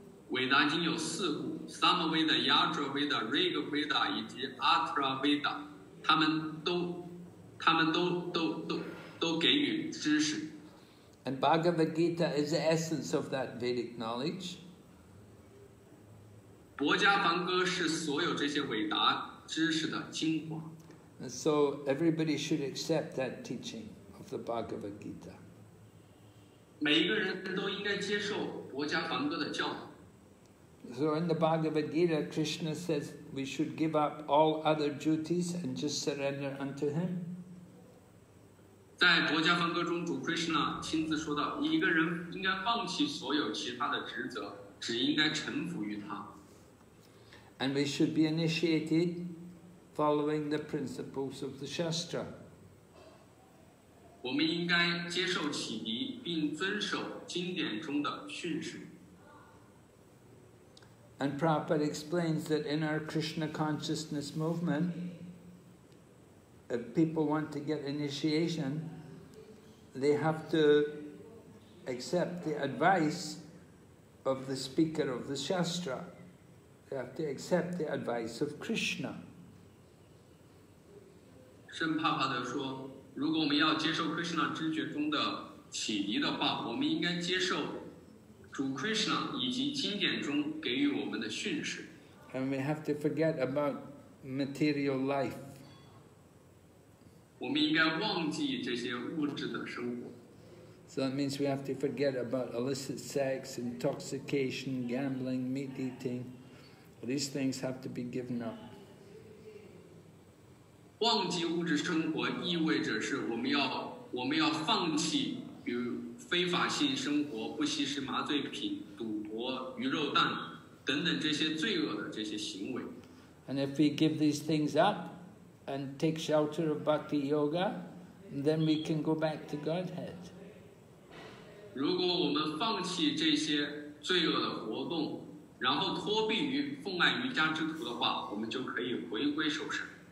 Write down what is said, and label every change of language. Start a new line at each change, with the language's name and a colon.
Chinese: 伟达经有四部 Samaveda, Yajurveda, Rigveda 以及 Atharvaveda， 他们都给予知识。
English: And Bhagavad Gita is the essence of that Vedic knowledge.
Chinese: 博迦梵歌是所有这些伟达知识的精华。
English: And so everybody should accept that teaching of the Bhagavad Gita.
Chinese: 每一个人都应该接受博迦梵歌的教导。
English: So in the Bhagavad Gita, Krishna says we should give up all other duties and just surrender unto Him.
Chinese: 在《博迦梵歌》中，主 Krishna 亲自说道：“一个人应该放弃所有其他的职责，只应该臣服于他。”
English: And we should be initiated, following the principles of the Shastra.
Chinese: 我们应该接受启迪，并遵守经典中的训示。
English: And Prabhupada explains that in our Krishna consciousness movement, if people want to get initiation, they have to accept the advice of the speaker of the Shastra. They have to accept the advice of Krishna.
Chinese: Shrim Prabhupada 说，如果我们要接受 Krishna 知觉中的启迪的话，我们应该接受主 Krishna 以及经典中给予我们的训示。
English: And we have to forget about material life.
Chinese: 我们应该忘记这些物质的生活。
English: So that means we have to forget about illicit sex, intoxication, gambling, meat eating. These things have to be given up.
Chinese: 忘记物质生活意味着是我们要放弃与非法性生活，不吸食麻醉品，赌博，鱼肉蛋等等这些罪恶的这些行为。
English: And if we give these things up and take shelter of bhakti yoga, then we can go back to Godhead.
Chinese: 如果我们放弃这些罪恶的活动，然后脱避于奉爱瑜伽之徒的话，我们就可以回归受身。